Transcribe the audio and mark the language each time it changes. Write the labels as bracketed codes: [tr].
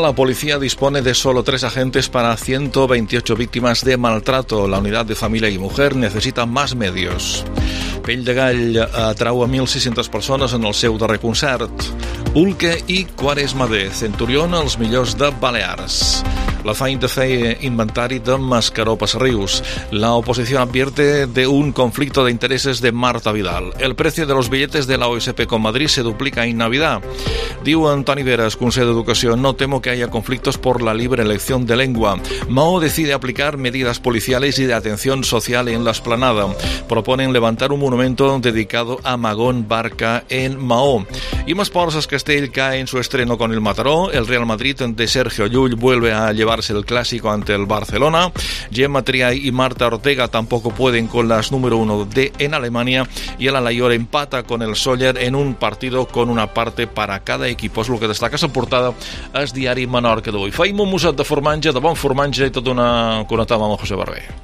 [es] La policía dispone de solo 3 agentes para 128 víctimas de maltrato. La unidad de familia y mujer necesita más medios. [ca] Pell de Gall atrau a 1.600 persones en el seu darrer concert. Ulke i Quaresma de Centurión, els millors de Balears. La Fain de Fe, inventari de Mascaró Passarrius. [es] La oposición advierte de un conflicto de intereses de Marta Vidal. El precio de los billetes de la OSP con Madrid se duplica en Navidad. Diu Antoni Veras, Consell d'Educació, no temo que haya conflictos por la libre elección de lengua. Mao decide aplicar medidas policiales y de atención social en la esplanada. Proponen levantar un monumento dedicado a Magón Barca en Mao. I más porces, Castell cae en su estreno con el Mataró. El Real Madrid de Sergio Llull vuelve a llevarse el clásico ante el Barcelona. Gemma Triay y Marta Ortega tampoco pueden con las número uno de en Alemania. Y el Alayor empata con el Soller en un partido con una parte para cada equipo. Es lo que destaca esa portada al Diari Menorca d'avui. [ca] Faim un muset de formatge, de bon formatge, i tota una connectada amb José Barber.